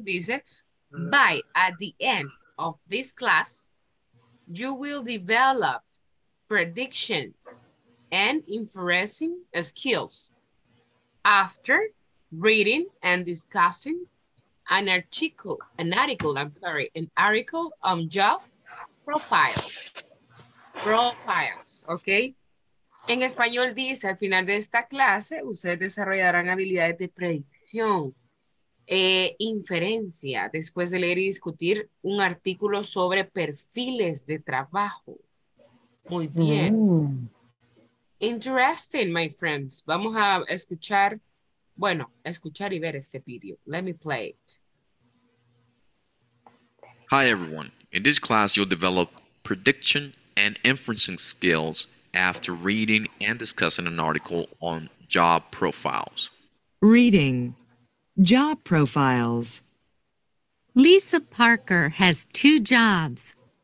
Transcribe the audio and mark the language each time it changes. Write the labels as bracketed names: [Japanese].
[English] Dice, by at the end of this class, you will develop prediction and inferencing skills after reading and discussing an article on job profiles, ¿ok? [Spanish] En español dice, al final de esta clase, ustedes desarrollarán habilidades de predicción, inferencia, después de leer y discutir un artículo sobre perfiles de trabajo. Muy bien. [English] Interesting, my friends. [Spanish] Vamos a escuchar, bueno, escuchar y ver este video. [English] Let me play it. Hi everyone. In this class, you'll develop prediction and inferencing skills after reading and discussing an article on job profiles. Reading. Job profiles. Lisa Parker has two jobs.